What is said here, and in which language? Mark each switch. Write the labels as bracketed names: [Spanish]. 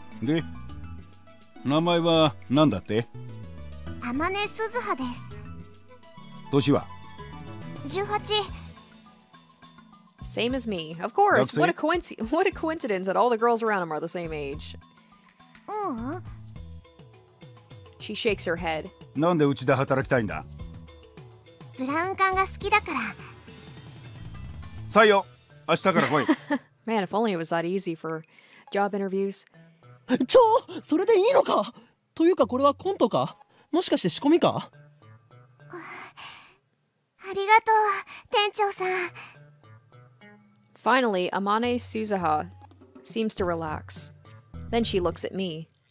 [Japanese] で、名前は何だって？アマネ・スズハです。歳は？ 18。 [English] Same as me. Of course, what a coincidence that all the girls around him are the same age. Uh-huh. She shakes her head. [Japanese] なんでうちで働きたいんだ？ブラウン管が好きだから。採用。明日から来い。 [English] Man, if only it was that easy for job interviews. [Japanese] ちょ、それでいいのか？というかこれはコントか？もしかして仕込みか？ありがとう、店長さん。 [English] Finally, Amane Suzuha seems to relax. Then she looks at me.